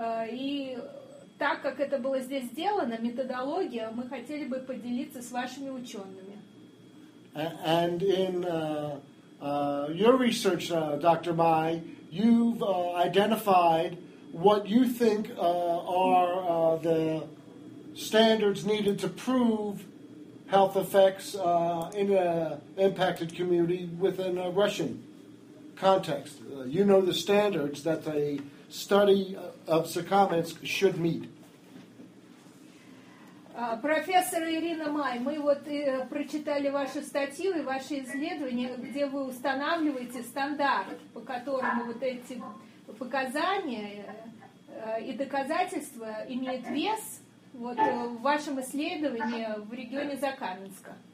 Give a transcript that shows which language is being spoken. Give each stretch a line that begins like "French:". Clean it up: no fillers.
Russian: И так как это было здесь сделано, методология, мы хотели бы поделиться с вашими учеными.
English: And in your research, Dr. Mai, you've identified what you think are the standards needed to prove health effects in an impacted community within a Russian context. You know the standards that a study of Закаменск should meet.
Russian: Профессор Ирина Май, мы вот прочитали вашу статью и ваши исследования, где вы устанавливаете стандарт, по которому вот эти показания и доказательства имеют вес вот в вашем исследовании в регионе Закаменска.